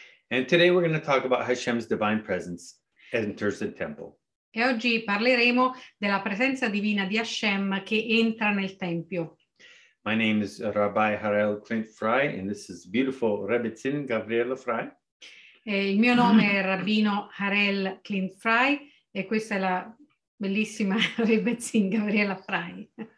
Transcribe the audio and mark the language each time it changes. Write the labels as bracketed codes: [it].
[en] And today we're going to talk about Hashem's divine presence enters the temple. [it] E oggi parleremo della presenza divina di Hashem che entra nel tempio. [en] My name is Rabbi Harel Clint Fry and this is beautiful Rebbe Zin Gabriela Fry. [it] E il mio nome è Rabbino Harel Clint Fry e questa è la bellissima Rebbe Zin Gabriela Fry.